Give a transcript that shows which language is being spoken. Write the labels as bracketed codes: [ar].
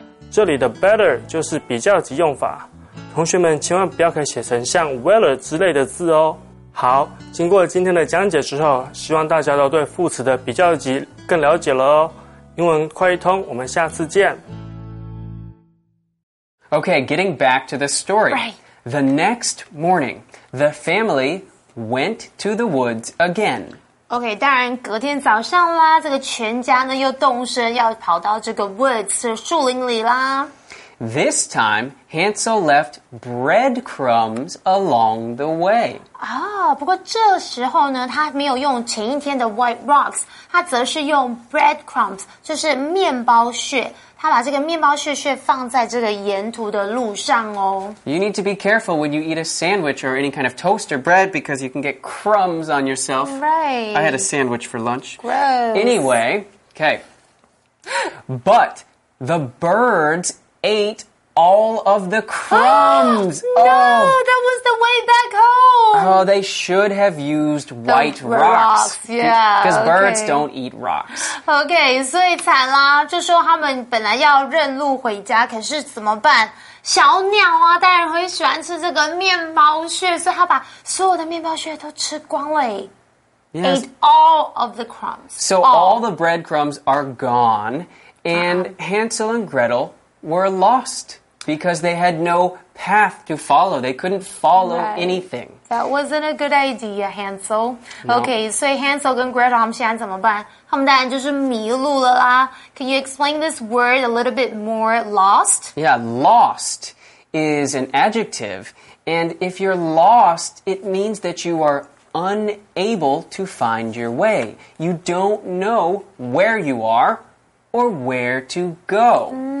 [zh] 这里的 better 就是比较级用法，同学们千万不要可以写成像 weller 之类的字哦。好，经过今天的讲解之后，希望大家都对副词的比较级更了解了哦。英文快一通，我们下次见。 [en] Okay, getting back to the story. Right. The next morning, the family went to the woods again. [zh] Okay, 当然隔天早上啦，这个全家呢又动身要跑到这个 woods, 树林里啦。 [en] This time, Hansel left breadcrumbs along the way. [zh] 啊，不过这时候呢，他没有用前一天的 white rocks, 他则是用 breadcrumbs, 就是面包屑。他把这个面包屑屑放在这个沿途的路上哦。 [en] You need to be careful when you eat a sandwich or any kind of toast or bread because you can get crumbs on yourself. Right. I had a sandwich for lunch. Gross. Anyway, okay. But the birds... ate all of the crumbs. Oh, no, that was the way back home. Oh, they should have used white rocks. Yeah, because birds don't eat rocks. [zh] Okay, 所以惨啦，就说他们本来要认路回家，可是怎么办？小鸟啊，当然会喜欢吃这个面包屑，所以他把所有的面包屑都吃光了。 [en] Yes. Ate all of the crumbs. So all the breadcrumbs are gone, and Hansel and Gretel were lost because they had no path to follow. They couldn't follow anything. That wasn't a good idea, Hansel. Okay, so Hansel and Gretel, [zh] 他们现在怎么办？他们当然就是迷路了啦。 [en] Can you explain this word a little bit more, lost? Yeah, lost is an adjective. And if you're lost, it means that you are unable to find your way. You don't know where you are or where to go.